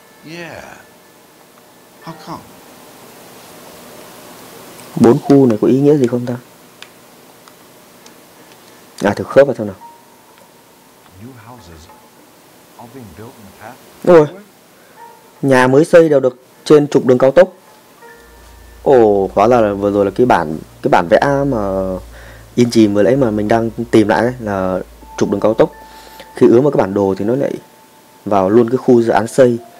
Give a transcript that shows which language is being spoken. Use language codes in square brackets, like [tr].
[en] Yeah. How come? [vi] 4 khu này có ý nghĩa gì không ta? À thử khớp vào xem nào. [en] New houses are being built in the path. [vi] Rồi. Nhà mới xây đều được trên trục đường cao tốc. Ồ, hóa ra là vừa rồi là cái bản vẽ mà in chìm vừa nãy mà mình đang tìm lại ấy, là trục đường cao tốc. Khi ướm vào cái bản đồ thì nó lại vào luôn cái khu dự án xây.